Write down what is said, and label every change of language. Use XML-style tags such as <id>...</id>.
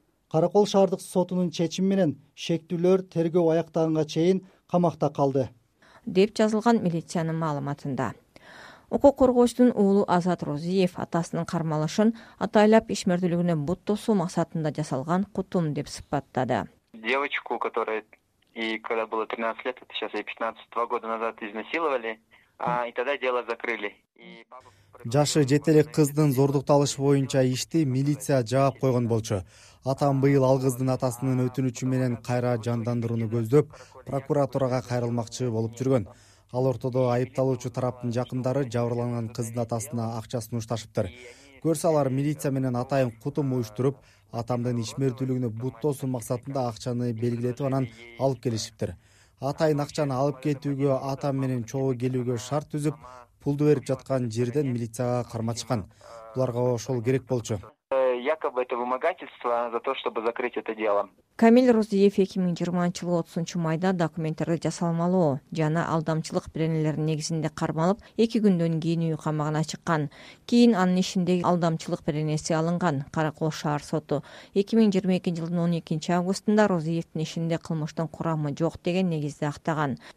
<ky>Каракол шаардык сотунун чечими менен шектүүлөр тергөө аяктаганга чейин камакта калды деп жазылган милициянын маалыматында. Укук коргоочунун уулу Азат Розиев атасынын кармалышын атайлап ишмердүүлүгүнө бут тосуу максатында жасалган кутум деп сыпаттады.</ky> <ru>Девочку, которая ей когда было 13 лет, сейчас ей 15 года назад изнасиловали, и тогда дело закрыли.</ru> <ky>Жашы жете элек кыздын зордукталышы боюнча ишти милиция жаап койгон болчу. Атам быйыл ал кыздын атасынын өтүнүчү менен кайра жандандырууну көздөп, прокуратурага кайрылмакчы болуп жүргөн. Ал ортодо айыпталуучу тараптын жакындары жабырланган кыздын атасына акча сунушташыптыр. Көрсө алар милиция менен атайын кутум уюштуруп, атамдын ишмердүүлүгүнө бут тосуу максатында акчаны белгилетип анан алып келишиптир. Атайын акчаны алып кетүүгө атам менен чогуу келүүгө шарт түзүп, пулду берип жаткан жерден милицияга кармачкан. Буларга ошол керек болчу.</ky> <ru>Якобы это вымогательство за то, чтобы закрыть это дело.</ru> <ky>Камиль Розиев 2020 жылы 30 майда документтерди жасалмалоо жана алдамчылык беренелерин негизинде кармалып, 2 күндөн кийин үй камагына чыккан. Кийин анын ишиндеги алдамчылык беренеси алынган. Кара Кол шаар соту 2022 жылдын 12 августунда Розиевдин ишинде кылмыштын курамы жок деген негизде актаган.</ky>